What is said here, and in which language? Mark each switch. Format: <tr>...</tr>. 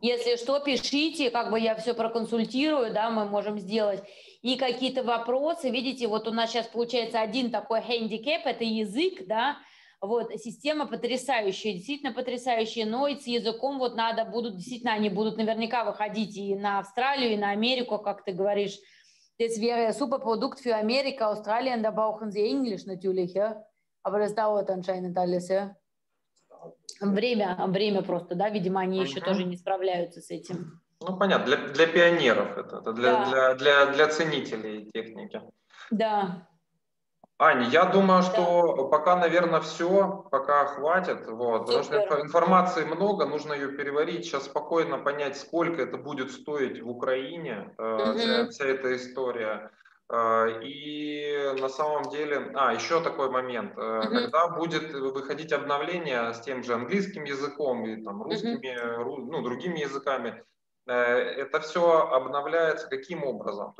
<ru>Если что, пишите, как бы я все проконсультирую, да, мы можем сделать. И какие-то вопросы, видите, вот у нас сейчас получается один такой хэндикэп, это язык, да, вот, система потрясающая, действительно потрясающая, но и с языком вот надо будут, действительно, они будут наверняка выходить и на Австралию, и на Америку, как ты говоришь.</ru> <de>Das wäre ein super Produkt für Amerika, Australien, da brauchen sie Englisch natürlich, ja. Aber das dauert anscheinend alles, ja.</de> <ru>Время, время просто, да, видимо, они еще тоже не справляются с этим. Ну, понятно, для пионеров это для, для ценителей техники. Да. Аня, я думаю, что пока, наверное, все, пока хватит, вот, потому что информации много, нужно ее переварить, сейчас спокойно понять, сколько это будет стоить в Украине, вся эта история, и на самом деле, еще такой момент, когда будет выходить обновление с тем же английским языком и там русскими, ну, другими языками, это все обновляется каким образом?</ru>